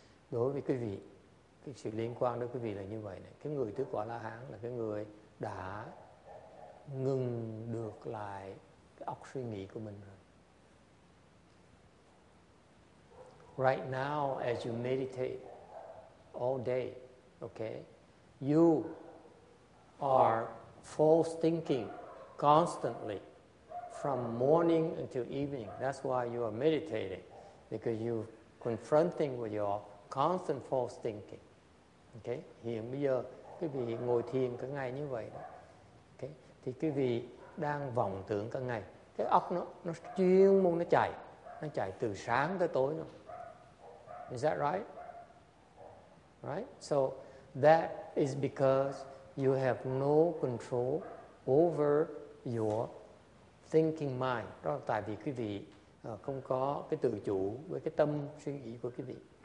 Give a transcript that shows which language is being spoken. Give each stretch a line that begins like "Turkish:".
Vietnamese: Đối với quý vị, cái sự liên quan đối với quý vị là như vậy này. Cái người tứ quả la hán là cái người đã ngừng được lại cái óc suy nghĩ của mình rồi.
English: Right now, as you meditate all day, okay, you are false thinking constantly from morning until evening. That's why you are meditating, because you're confronting with your constant false thinking.
Vietnamese: Okay, hiện bây giờ quý vị ngồi thiền cả ngày như vậy đó. Okay, thì quý vị đang vọng tưởng cả ngày, cái óc nó chuyên môn nó chạy từ sáng tới tối luôn.
English: Is that right? Right? So that is because you have no control over your thinking mind.
Vietnamese: Đó là tại vì quý vị không có cái tự chủ với cái tâm suy nghĩ của quý vị.